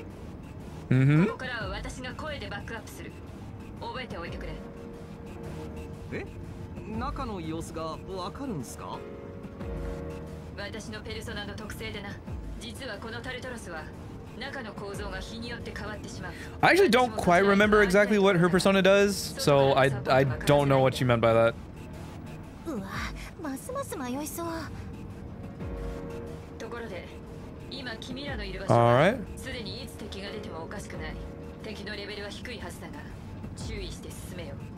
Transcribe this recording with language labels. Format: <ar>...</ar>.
<ja>ここからは私が声でバックアップする。覚えておいてくれ。え？中の様子がわかるんすか？私のペルソナの特性でな。実はこのタルタロスは中の構造が日によって変わってしまう。</ja> <en>I actually don't quite remember exactly what her persona does, so I don't know what she meant by that.</en> <ja>うわ、ますます迷いそう。ところで、今君らのいる場所はすでにいつ敵が出てもおかしくない。敵のレベルは低いはずだが、注意して進めよ。</ja>